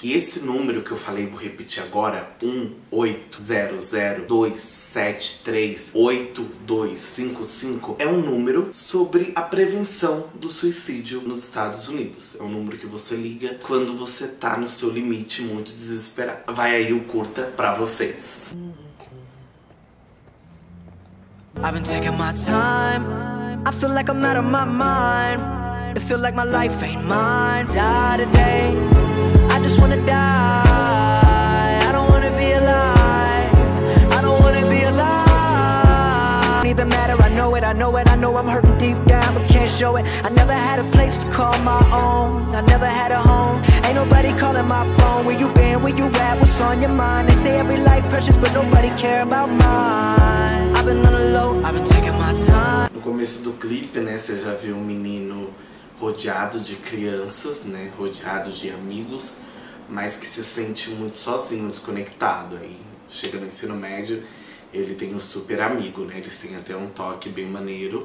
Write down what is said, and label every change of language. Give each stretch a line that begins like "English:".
Portuguese: E esse número que eu falei, vou repetir agora, 1-800-273-8255, é um número sobre a prevenção do suicídio nos Estados Unidos. É um número que você liga quando você tá no seu limite, muito desesperado. Vai aí o curta pra vocês.
English: I've been taking my time, I feel like I'm out of my mind. I feel like my life ain't mine. Die today, I just wanna die. I don't wanna be alive. I don't wanna be alive. Neither matter, I know it, I know it, I know I'm hurting deep down, but can't show it. I never had a place to call my own. I never had a home. Ain't nobody calling my phone. Where you been, where you at, what's on your mind? They say every life precious, but nobody care about mine. I've been on a low, I've been taking my time.
Portuguese: No começo do clipe, né, você já viu um menino rodeado de crianças, né, rodeado de amigos, mas que se sente muito sozinho, desconectado. Aí chega no ensino médio, ele tem um super amigo, né, eles têm até um toque bem maneiro.